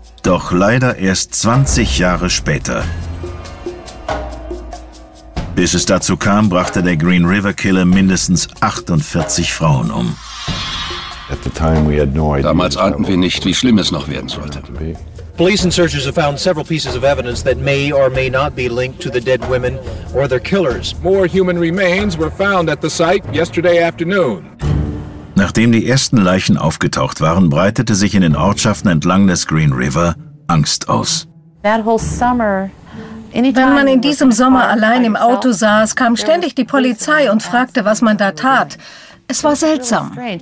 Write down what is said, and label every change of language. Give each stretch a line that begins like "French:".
German: Doch leider erst 20 Jahre später. Bis es dazu kam, brachte der Green River Killer mindestens 48 Frauen um. Damals ahnten wir nicht, wie schlimm es noch werden sollte.
English: Police and searchers have found several pieces of evidence that may or may not be linked to the dead women or their killers. More human remains were found at the site yesterday afternoon.
German: Nachdem die ersten Leichen aufgetaucht waren, breitete sich in den Ortschaften entlang des Green River Angst aus. Wenn man in diesem Sommer allein im Auto saß, kam ständig die Polizei und fragte, was man da tat. Es war seltsam.